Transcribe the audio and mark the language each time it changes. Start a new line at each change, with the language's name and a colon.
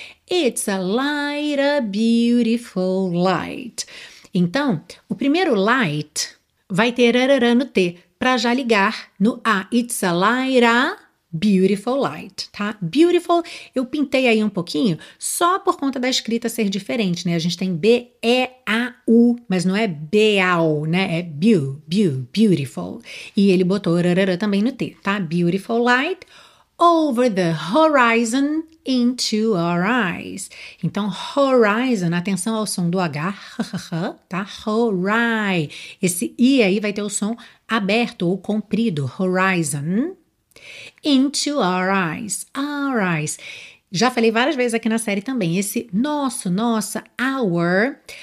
English: It's a light, a beautiful light.
Portuguese: Então, o primeiro light vai ter rarará no T, para já ligar no A.
English: It's a light, a beautiful light, tá?
Portuguese: Beautiful, eu pintei aí um pouquinho só por conta da escrita ser diferente, né? A gente tem B-E-A-U, mas não é B-A-U, né? É beautiful. E ele botou rarará também no T, tá?
English: Beautiful light. Over the horizon into our eyes.
Portuguese: Então, horizon, atenção ao som do H, tá? Horai. Esse I aí vai ter o som aberto ou comprido.
English: Horizon into our eyes. Our eyes.
Portuguese: Já falei várias vezes aqui na série também. Esse nosso, nossa, our.